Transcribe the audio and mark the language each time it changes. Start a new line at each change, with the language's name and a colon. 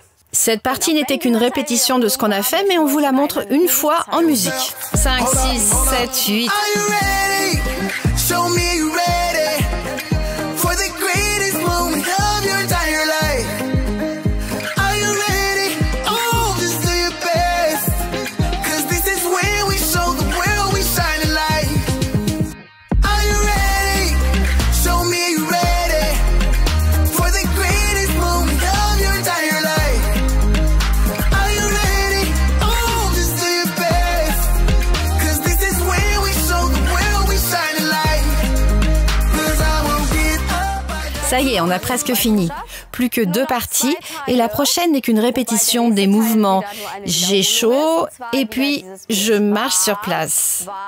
French: Cette partie n'était qu'une répétition de ce qu'on a fait, mais on vous la montre une fois en musique.
English: 5, 6, 7, 8. Are you ready? Show me you ready for the greatest moment of your entire life. Are you ready? Oh, just do your best. Cause this is when we show the world we shine a light. Are you ready? Show me you ready for the greatest moment of your entire life. Are you ready? Oh, just do your best. Cause this is when we show the world we shine a light. Cause I won't get up.
French: Ça y est, on a presque fini. Plus que deux parties, et la prochaine n'est qu'une répétition des mouvements. J'ai chaud, et puis je marche sur place.